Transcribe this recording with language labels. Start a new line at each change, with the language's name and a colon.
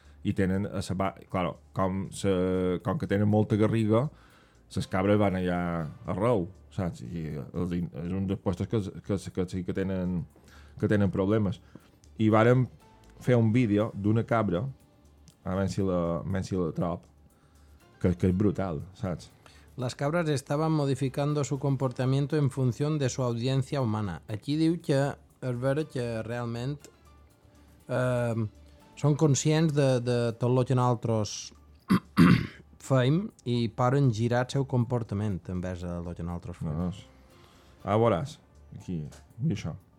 Catalan: I tenen, claro, com que tenen molta garriga, les cabres van allà arreu, saps? I és un dels puestos que tenen problemes. I vàrem fer un vídeo d'una cabra, a veure si la trob, que és brutal, saps?
Spanish: Las cabras estaban modificando su comportamiento en función de su audiencia humana.
Catalan: Aquí diu que es veu que realment són conscients de tot el que nosaltres... feim i poden girar el seu comportament envers de lo que nosaltres fem. No. Ah, veuràs. Aquí, i això.